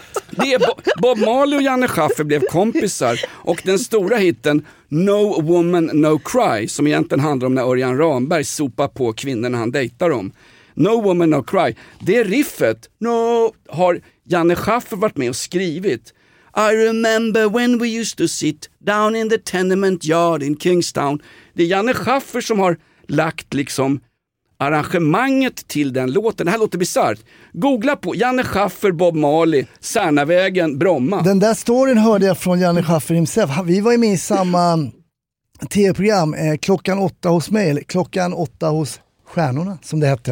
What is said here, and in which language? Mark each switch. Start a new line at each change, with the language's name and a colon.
Swedish: Det är Bob Marley och Janne Schaffer blev kompisar. Och den stora hitten No Woman No Cry, som egentligen handlar om när Örjan Ramberg sopar på kvinnorna han dejtar om. No Woman No Cry, det riffet har Janne Schaffer varit med och skrivit.
English: I remember when we used to sit down in the tenement yard in Kingstown.
Swedish: Det är Janne Schaffer som har lagt liksom arrangemanget till den låten. Det här låter bizarrt. Googla på Janne Schaffer, Bob Marley, Särnavägen, Bromma. Den där storyn hörde jag från Janne Schaffer himself. Vi var ju med i samma TV-program, klockan åtta hos mig, eller klockan åtta hos stjärnorna, som det hette.